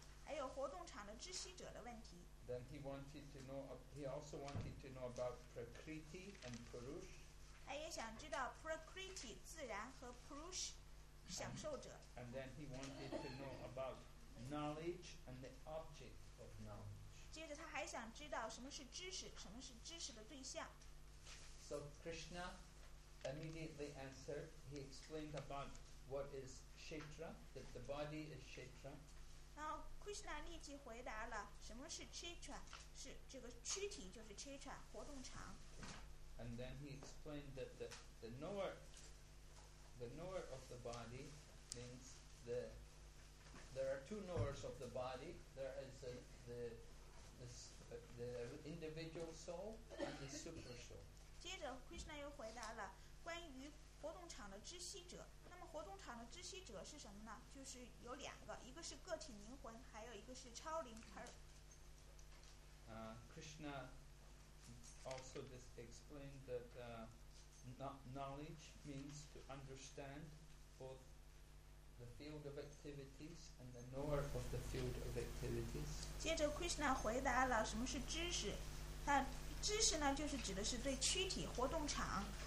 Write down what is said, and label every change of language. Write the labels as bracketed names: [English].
[Chinese] 还有活动场的知悉者的问题. [English] Then he also wanted to know about Prakriti and Purush. [Chinese] 他也想知道 Prakriti 自然和 Purush 享受者. [English] And then he wanted to know about knowledge and the object of knowledge. [Chinese] 接着他还想知道什么是知识，什么是知识的对象. [English] So Krishna immediately answered. He explained about what is Kshetra, that the body is Kshetra. [Chinese] 然后 Krishna 立即回答了什么是Kshetra，是这个躯体就是Kshetra，活动场. [English] And then he explained that the knower of the body means that there are two knowers of the body. There is the individual soul and the super soul. [Chinese] 接着 Krishna 又回答了关于 活动场的知悉者，那么活动场的知悉者是什么呢？就是有两个，一个是个体灵魂，还有一个是超灵 [English] Krishna also just explained that knowledge means to understand both the field of activities and the knower of the field of activities. [Chinese] 接着 Krishna 回答了什么是知识，那知识呢，就是指的是对躯体活动场。